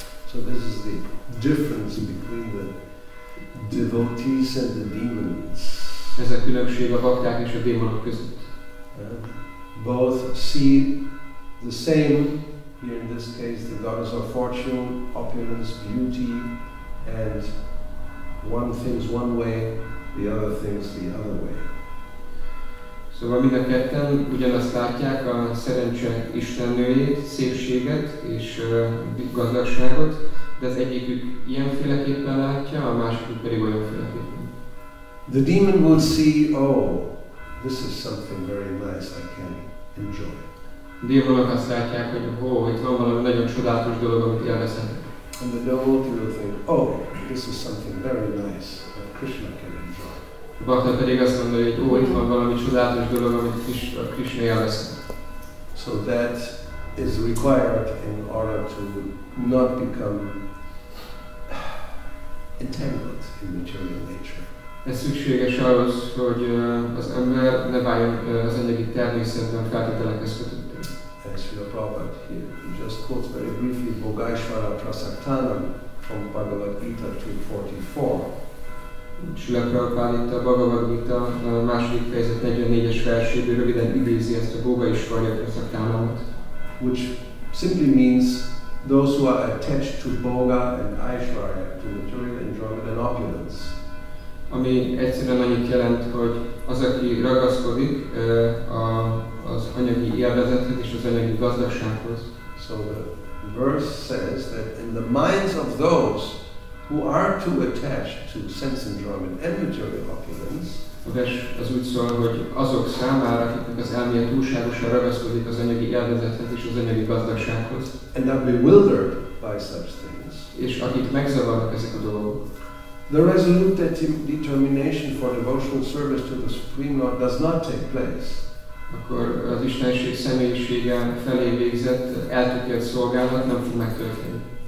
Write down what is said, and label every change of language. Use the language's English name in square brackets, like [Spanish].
[English] So this is the difference between the devotees and the demons. [Hungarian] Ez a különbség a bakták és a démonok között. [English] Both see the same, here in this case, the Goddess of Fortune, opulence, beauty, and one thinks one way, the other thinks the other way. [Hungarian] Szóval mind a ketten ugyanazt látják, a szerencse istennőjét, szépséget és gazdagságot, de az egyikük ilyenféleképpen látja, a másikuk pedig olyanféleképpen. [English] The demon will see, oh, this is something very nice, I can enjoy. [Hungarian] A démonok azt látják, hogy oh, itt van valami nagyon csodálatos dolog, amit élvezhet. [English] And the devotee will think, oh, this is something very nice that Krishna can enjoy. [Hungarian] Bhakta pedig azt mondja, hogy ó, itt van valami csodálatos dolog, amit Krishna élvezhet. [English] So that is required in order to not become entangled in material nature. [Hungarian] Ez szükséges ahhoz, hogy az ember ne váljon az anyagi természetben feltételekhez kötött. [English] Srila Prabhupada here just quotes very briefly Bhogaishvara Prasaktanam from Bhagavad Gita 2.44. [Hungarian] Srila Prabhupada itt a Bhagavad Gita második fejezet 44-es verséből röviden idézi ezt a Bhogaishvara Prasaktanamot. [English] Which simply means those who are attached to Bhoga and Aishvara, to material enjoyment and opulence. [Hungarian] Ami egyszerűen annyit jelent, hogy az, aki ragaszkodik az anyagi élvezethez és az anyagi gazdagsághoz. [English] So the verse says that in the minds of those who are too attached to sense enjoyment and material opulence, [Hungarian] a vers az úgy szól, hogy azok számára, akiknek az elméje túlságosan ragaszkodik az anyagi élvezethez és az anyagi gazdagsághoz, [English] and are bewildered by such things, [Hungarian] és akik megzavarnak ezek a dolgok, [English] the resolute determination for devotional service to the Supreme Lord does not take place. [Hungarian] Akkor az istenség személyisége felé végzett, eltökélt szolgálat nem fog megtörténni.